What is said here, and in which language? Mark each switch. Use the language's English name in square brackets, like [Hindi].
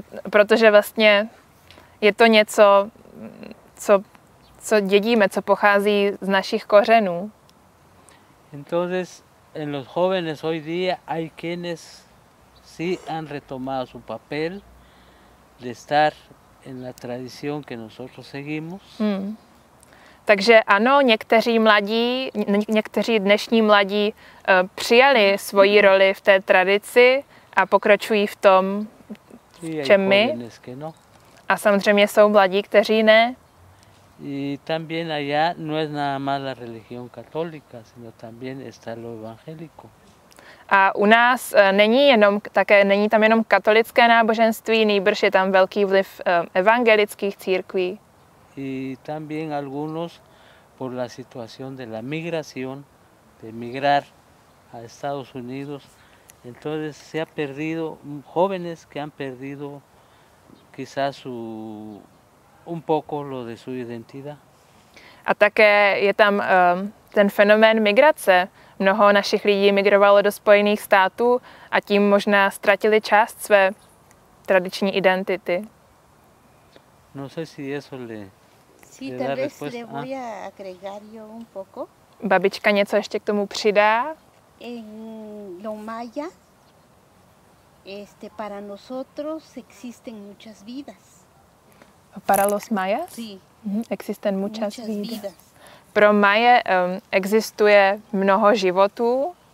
[Czech] Protože vlastně je to něco, co dědíme, co pochází z našich kořenů. [Spanish] Entonces en los jóvenes hoy día hay quienes sí han retomado su papel de estar en la tradición que nosotros seguimos. [Czech] Takže ano, někteří mladí, někteří dnešní mladí přijali svoji roli v té tradici a pokračují v tom, v čem my. A samozřejmě jsou mladí, kteří ne. [Spanish] Y también allá no es nada más la religión católica, sino también está lo evangélico. [Czech] A u nás není jenom také není tam jenom katolické náboženství, nýbrž je tam velký vliv evangelických církví. [Spanish] Y también algunos por la situación de la migración, de migrar a Estados Unidos, entonces se ha perdido jóvenes que han perdido quizás su un poco lo de su identidad. [Czech] A také je tam ten fenomén migrace. Mnoho našich lidí migrovalo do Spojených států a tím možná ztratili část své tradiční identity. [Spanish] No sé si eso le. Sí, tal vez le voy a agregar yo un poco. [Czech] Babička něco ještě k tomu přidá. [Spanish] En lo maya, para nosotros existen muchas vidas. Para los mayas? Sí. Existen muchas vidas. [Czech] Pro Maje existuje mnoho životů.